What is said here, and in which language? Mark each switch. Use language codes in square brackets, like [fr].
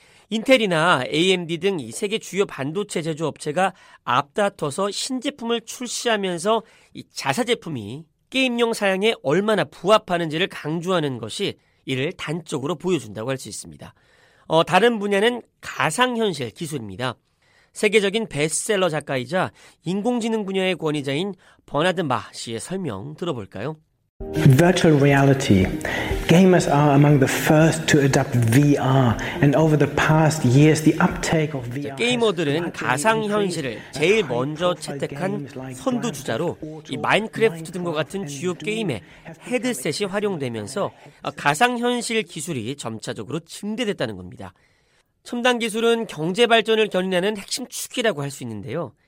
[ko] 인텔이나 AMD 등 이 세계 주요 반도체 제조 업체가 앞다퉈서 신제품을 출시하면서 이 자사 제품이 게임용 사양에 얼마나 부합하는지를 강조하는 것이 이를 단적으로 보여준다고 할 수 있습니다. 다른 분야는 가상현실 기술입니다. 세계적인 베스트셀러 작가이자 인공지능 분야의 권위자인 버나드 마 씨의 설명 들어볼까요? [en] Virtual reality. Gamers are among the first to adopt VR. And over the past years, the uptake of VR. [ko] 게이머들은 가상 현실을 제일 먼저 채택한 선두주자로 이 마인크래프트 등과 같은 주요 게임에 헤드셋이 활용되면서 가상 현실 기술이 점차적으로 증대됐다는 겁니다. 첨단 기술은 경제 발전을 견인하는 핵심 축이라고 할 수 있는데요.